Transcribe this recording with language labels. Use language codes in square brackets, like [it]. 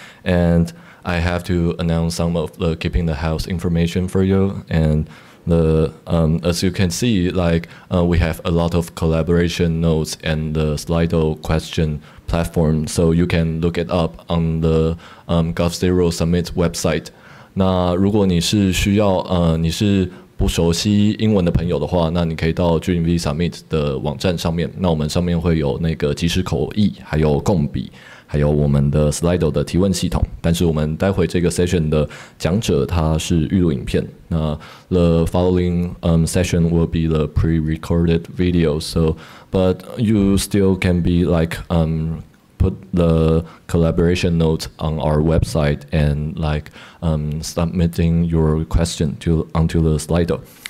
[en] And I have to announce some of the keeping the house information for you. And the as you can see, like we have a lot of collaboration notes and the Slido question platform, so you can look it up on the GovZero Summit website. [zh] 那如果你是需要你是不熟悉英文的朋友的话，那你可以到 GNV Summit 的网站上面，那我们上面会有那个即时口译，还有共笔，还有我们的 Slido 的提问系统。但是我们待会这个 session 的讲者他是预录影片，那 [en] the following session will be the pre-recorded video, so but you still can be like put the collaboration notes on our website and like submitting your question to onto the Slido.